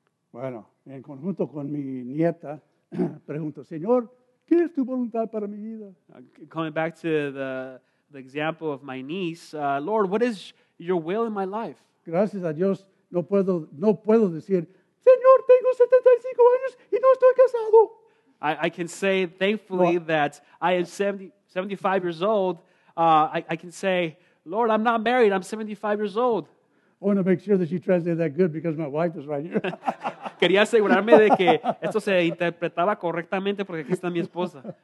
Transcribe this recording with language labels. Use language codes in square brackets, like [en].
[es] Bueno, en conjunto con mi nieta, pregunto, Señor, ¿qué es tu voluntad para mi vida? [en] Coming back to the example of my niece, Lord, what is your will in my life? [es] Gracias a Dios, no puedo decir, Señor, tengo 75 años y no estoy casado. [en] I can say, thankfully, well, that I am 75 years old. I can say, Lord, I'm not married. I'm 75 years old. I want to make sure that you translate that good because my wife is right here. [es] Quería asegurarme de que esto se interpretaba correctamente porque aquí está mi esposa.